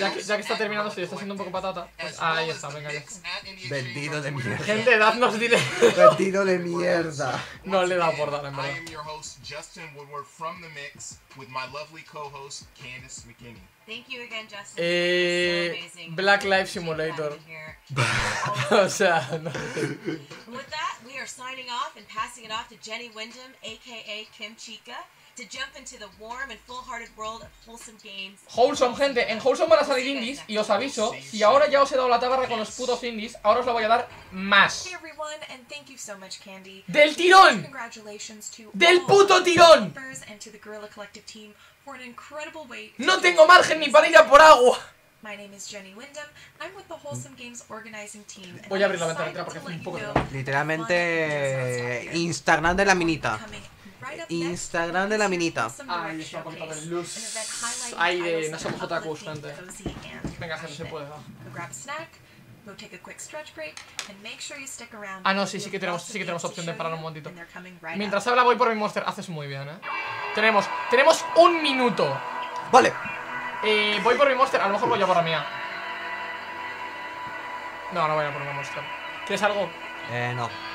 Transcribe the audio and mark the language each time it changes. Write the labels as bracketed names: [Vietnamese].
[Spanish] Ya que está terminando, estoy haciendo un poco patata. Ahí está, venga ya. Vendido de mierda. Gente, dadnos dinero. Vendido de mierda. No le he dado por dar, en verdad. [English] Soy host Justin Woodward from The Mix with my lovely co-host Candace McKinney. Thank you again, Justin. Black Life Simulator. [Spanish] O sea, no. [English] With that, we are signing off and passing it off to Jenny Windham, aka Kim Chica, to jump into the warm and full-hearted world of wholesome games. [Spanish] Wholesome, gente, en Wholesome van a salir indies y os aviso, si ahora ya os he dado la tabarra con los putos indies, ahora os la voy a dar más. [English] Hey everyone, and thank you so much, Candy. [Spanish] Del tirón. [English] Congratulations to [Spanish] del puto tirón. [English] And to the Gorilla Collective team. For an incredible way to... [Spanish] No tengo margen ni para ir a por agua. [English] My name is Jenny Windham. I'm with the Wholesome Games organizing team. [Spanish] Voy a abrir la ventana porque hace un poco de... Literalmente Instagram de la minita. Instagram de la minita. Ay, está por toda la luz. Ay, no somos otakus, gente. Venga, gente, se puede. [English] Grab a snack. We'll take a quick stretch break and make sure you stick around. [Spanish] Ah, no, sí que tenemos opción de parar un momentito. Mientras habla, voy por mi monster. Haces muy bien, ¿eh? Tenemos un minuto. Vale. Voy por mi monster. A lo mejor voy yo por la mía. No, no voy a por mi monster. ¿Quieres algo? No.